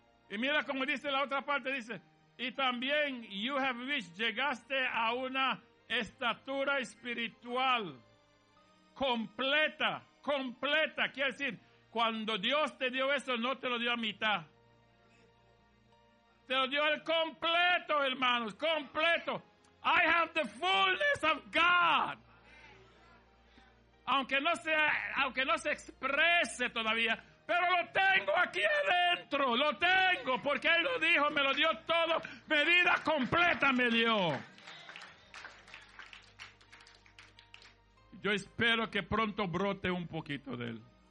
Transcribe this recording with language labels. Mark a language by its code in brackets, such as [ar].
[es] Y mira como dice la otra parte, dice, y también, [en] you have reached, [es] llegaste a una estatura espiritual completa, completa. Quiere decir, cuando Dios te dio eso, no te lo dio a mitad. Te lo dio el completo, hermanos, completo. [en] I have the fullness of God. [es] Aunque no se exprese todavía, pero lo tengo aquí adentro, lo tengo, porque Él lo dijo, me lo dio todo, medida completa me dio. Yo espero que pronto brote un poquito de Él.